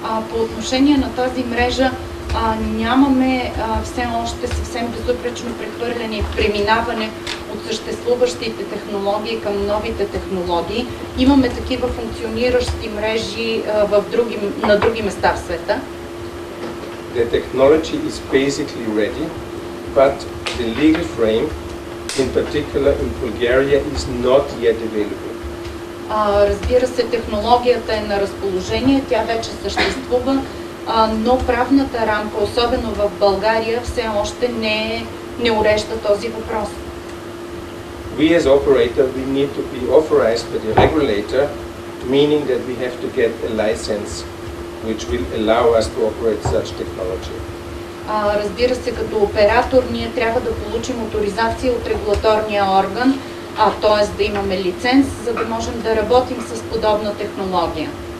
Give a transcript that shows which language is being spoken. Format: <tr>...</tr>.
<bg>По отношение на тази мрежа нямаме все още съвсем безупречно прехвърляне и преминаване от съществуващите технологии към новите технологии. Имаме такива функциониращи мрежи на други места в света.</bg> <en>The technology is basically ready, but the legal frame, in particular in Bulgaria, is not yet available.</en> <bg>Разбира се, технологията е на разположение, тя вече съществува, но правната рамка, особено в България, все още не урежда този въпрос.</bg> <en>We as operator, we need to be authorized by the regulator, meaning that we have to get a license which will allow us to operate such technology.</en> <bg>Разбира се, като оператор, ние трябва да получим авторизация от регулаторния орган, т.е. да имаме лиценз, за да можем да работим с подобна технология.</bg>